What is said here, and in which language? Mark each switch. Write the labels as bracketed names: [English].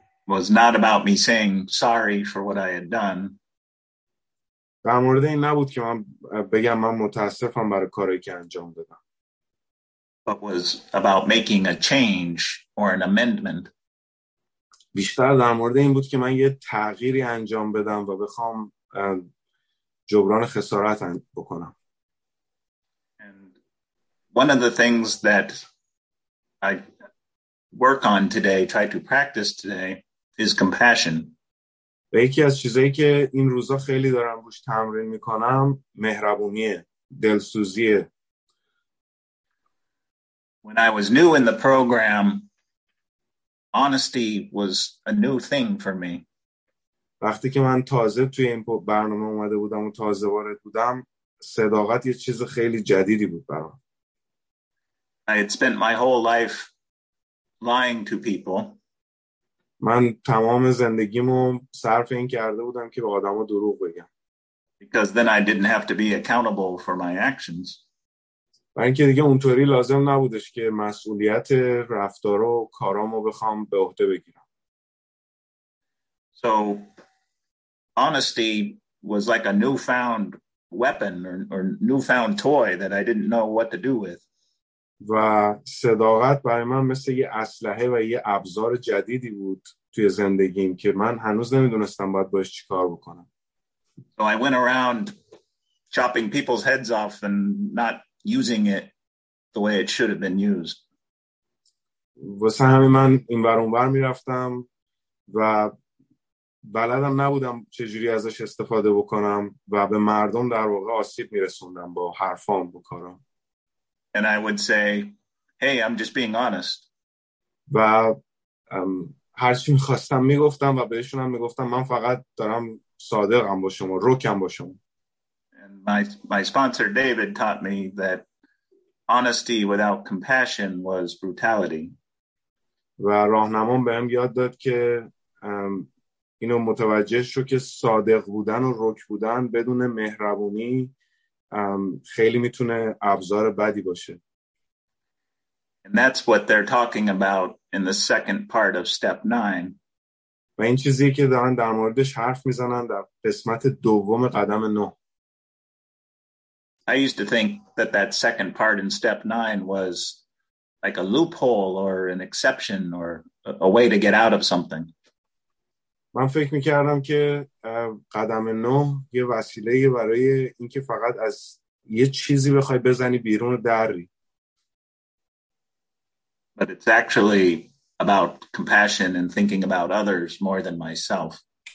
[English] Was not about me saying sorry for what I had done. [Persian] در مورد این نبود که من بگم من متاسفم برای کاری که انجام دادم. [English] But was about making a change or an amendment. [Persian] بیشتر در مورد این بود که من یه تغییری انجام بدم و بخوام جبران خسارت بکنم. [English] And one of the things that I work on today, try to practice today, is compassion. [Persian] یکی از چیزایی که این روزا خیلی دارم روش تمرین میکنم مهربونیه, دلسوزیه. [English] When I was new in the program, honesty was a new thing for me. [Persian] وقتی که من تازه توی این برنامه اومده بودم و تازه وارد بودم, صداقت یه چیز خیلی جدیدی بود برام. [English] I had spent my whole life lying to people. [Persian] من تمام زندگیمو صرف این کرده بودم که به آدما دروغ بگم. [English] Because then I didn't have to be accountable for my actions. [Persian] من که دیگه اونطوری لازم نبودش که مسئولیت رفتار و کارامو بخوام به عهده بگیرم. [English] So honesty was like a newfound weapon or newfound toy that I didn't know what to do with. [Persian] و صداقت برای من مثل یه اسلحه و یه ابزار جدیدی بود توی زندگیم که من هنوز نمیدونستم باید باش چی کار بکنم. [English] So I went around chopping people's heads off and not using it the way it should have been used. [Persian] واسه همین من این بر اون بر میرفتم و بلدم نبودم چجوری ازش استفاده بکنم و به مردم در واقع آسیب میرسوندم با حرفام و کارام. [English] And I would say, hey, I'm just being honest. [Persian] و هر چی میخواستم میگفتم و بهشونم میگفتم من فقط دارم صادقم با شما, روکم با شما. [English] And my sponsor David taught me that honesty without compassion was brutality. [Persian] و راهنمام بهم یاد داد که اینو متوجه شو که صادق بودن و روک بودن بدون مهربونی خیلی میتونه ابزار بدی باشه. [English] And that's what they're talking about in the second part of step 9. [Persian] و این چیزی که دارن در موردش حرف میزنن در قسمت دوم قدم 9. [English] I used to think that second part in step 9 was like a loophole or an exception or a way to get out of something. [Persian] من فکر میکردم که قدم 9 یه وسیله برای اینکه فقط از یه چیزی بخوای بزنی بیرون دری. [English] But it's actually about compassion and thinking about others more than myself.